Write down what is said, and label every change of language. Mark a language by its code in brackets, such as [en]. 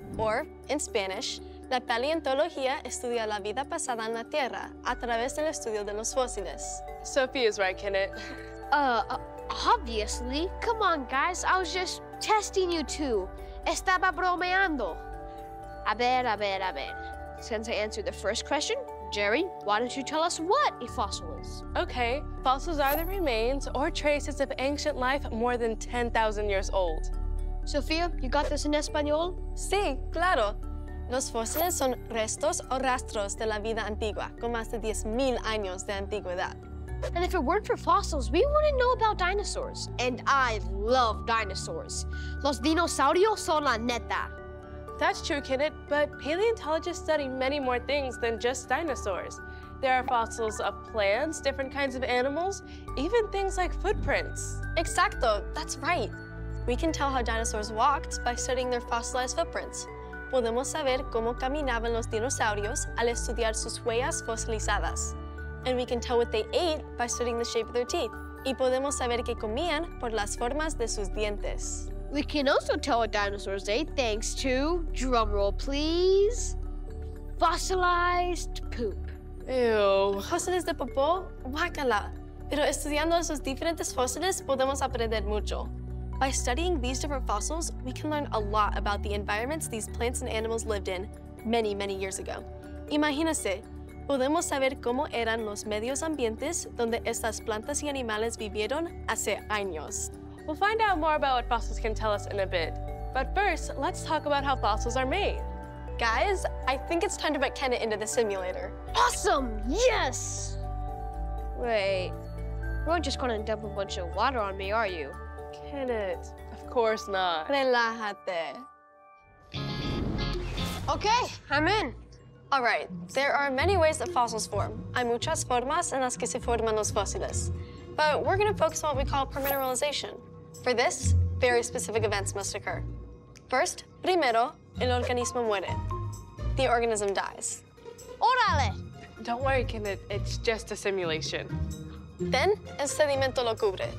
[en] Or, in Spanish, [es] la paleontología estudia la vida pasada en la Tierra a través del estudio de los fósiles. [en] Sophie is right, Kennet. Obviously. Come on, guys, I was just testing you two. [es] Estaba bromeando. A ver, a ver, a ver. [en] Since I answered the first question, Jerry, why don't you tell us what a fossil is? Okay, fossils are the remains or traces of ancient life more than 10,000 years old. Sofia, you got this in Espanol? [es] Sí, claro. Los fósiles son restos o rastros de la vida antigua, con más de 10,000 años de antigüedad. [en] And if it weren't for fossils, we wouldn't know about dinosaurs. And I love dinosaurs. [es] Los dinosaurios son la neta. [en] That's true, Kennet, but paleontologists study many more things than just dinosaurs. There are fossils of plants, different kinds of animals, even things like footprints. [es] Exacto, [en] that's right. We can tell how dinosaurs walked by studying their fossilized footprints. [es] Podemos saber cómo caminaban los dinosaurios al estudiar sus huellas fosilizadas. [en] And we can tell what they ate by studying the shape of their teeth. [es] Y podemos saber qué comían por las formas de sus dientes. [en] We can also tell what dinosaurs ate thanks to, drumroll please, fossilized poop. Ew. [es] Fósiles de popó? Guácala. Pero estudiando esos diferentes fósiles, podemos aprender mucho. [en] By studying these different fossils, we can learn a lot about the environments these plants and animals lived in many, many years ago. [es] Imagínese, podemos saber cómo eran los medios ambientes donde estas plantas y animales vivieron hace años. [en] We'll find out more about what fossils can tell us in a bit. But first, let's talk about how fossils are made. Guys, I think it's time to put Kennet into the simulator. Awesome, yes! Wait, you aren't just gonna dump a bunch of water on me, are you? Kennet, of course not. [es] Relájate. [en] Okay, I'm in. All right, there are many ways that fossils form. [es] Hay muchas formas en las que se forman los fósiles. [en] But we're gonna focus on what we call permineralization. For this, very specific events must occur. First, [es] primero, el organismo muere. [en] The organism dies. [es] Órale! [en] Don't worry, Kennet, it's just a simulation. Then, [es] el sedimento lo cubre.